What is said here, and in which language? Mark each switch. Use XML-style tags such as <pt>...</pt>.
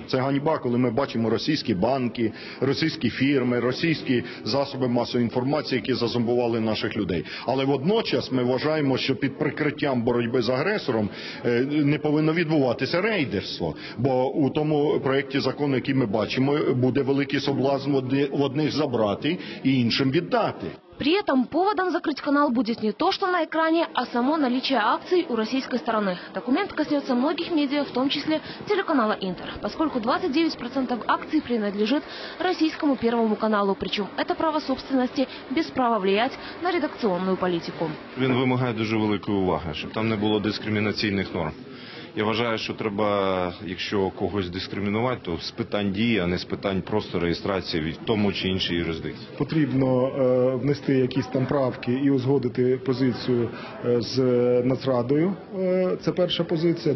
<uk>Це ганьба, коли ми бачимо російські банки, російські фірми, російські засоби масової інформації, які зазомбували наших людей. Але водночас ми вважаємо, що під прикриттям боротьби з агресором не повинно відбуватися рейдерство. Бо у тому проєкті закону, який ми бачимо, буде великий соблазн в одних забрати і іншим віддати.</uk> <ru>При этом поводом закрыть канал будет не то, что на экране, а само наличие акций у российской стороны. Документ коснется многих медиа, в том числе телеканала «Интер», поскольку 29% акций принадлежит российскому первому каналу. Причем это право собственности без права влиять на редакционную политику.</ru> <uk>Он вимагає дуже великої уваги, щоб там не було дискримінаційних норм. Я вважаю, що треба, якщо когось дискримінувати, то з питань дії, а не з питань просто реєстрації в тому чи іншій юрисдикції. Потрібно внести якісь там правки і узгодити позицію з Нацрадою. Це перша позиція.</uk>